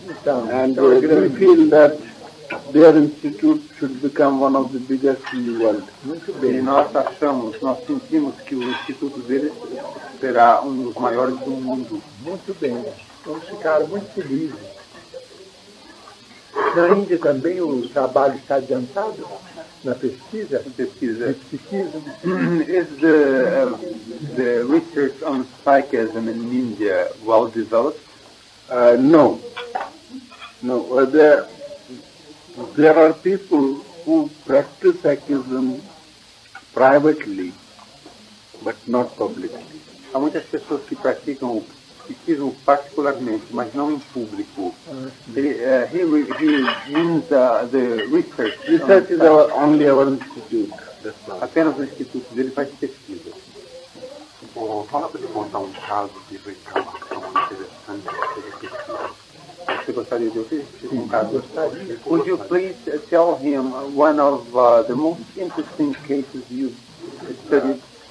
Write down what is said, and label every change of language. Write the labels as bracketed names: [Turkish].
[English] Então, feel that their institute should become one of the biggest in the world. [Portuguese] Muito bem. E nós sentimos que o instituto deles será um dos maiores do mundo. Muito bem. Vamos ficar muito felizes. Na Índia também o trabalho está adiantado? Na pesquisa? Pesquisa. [English] Psychism. Is the research on psychism in India well developed? No. No. There are people who practice psychism privately, but not publicly. [Portuguese] Há muitas pessoas que praticam o psiquismo particularmente, mas não em público. [English] He means the research. Research is our only our institute. [Portuguese] Apenas o instituto dele faz pesquisa. Oh, fala para ele contar um caso de reclamação interessante. Você gostaria de ouvir? Sim, gostaria. [English] Would you please tell him one of the most interesting cases you studied?